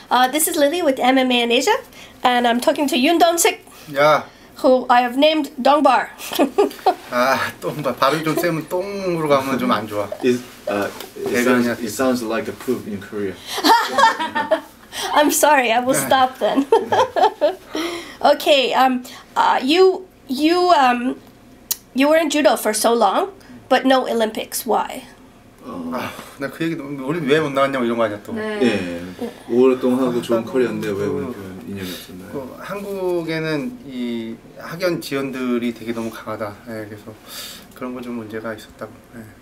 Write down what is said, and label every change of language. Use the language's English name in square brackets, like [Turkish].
[English] This is Lily with MMA in Asia, and I'm talking to Yoon Dong-sik. Yeah. Who I have named Dongbar. [Korean] 아, 똥발. 발음 좀 세면 똥으로 가면 좀 안 좋아. [English] It sounds like a poop in Korea. I'm sorry. I will stop then. Okay. You were in judo for so long, but no Olympics. Why? [Korean] 나 그 얘기 너무 우리 왜 못 나왔냐고 이런 거 아니야 또. 네. 예. 오랫동안 하고 좋은 커리어인데 왜 그런 인연이 없었나요? 한국에는 이 학연 지원들이 되게 너무 강하다. 예, 그래서 그런 거 좀 문제가 있었다고. 예.